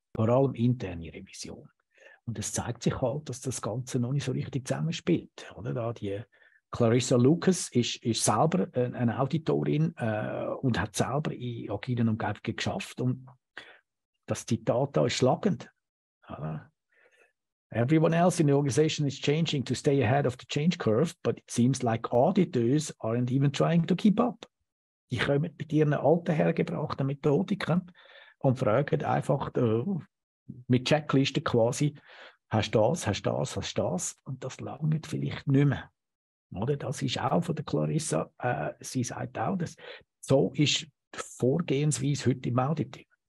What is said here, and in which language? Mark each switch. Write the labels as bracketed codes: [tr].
[de] Vor allem interne Revision. Und es zeigt sich halt, dass das Ganze noch nicht so richtig zusammenspielt. Oder? Da die Clarissa Lucas ist selber eine Auditorin und hat selber in agilen Umgebungen geschafft. Und das Zitat da ist schlagend. Oder? [en] Everyone else in the organization is changing to stay ahead of the change curve, but it seems like auditors aren't even trying to keep up. [de] Die kommen mit ihren alten hergebrachten Methodiken und fragen einfach mit Checklisten quasi, hast du das? Und das langt vielleicht nicht mehr. Oder? Das ist auch von der Clarissa, sie sagt auch, dass so ist die Vorgehensweise heute im Auditing.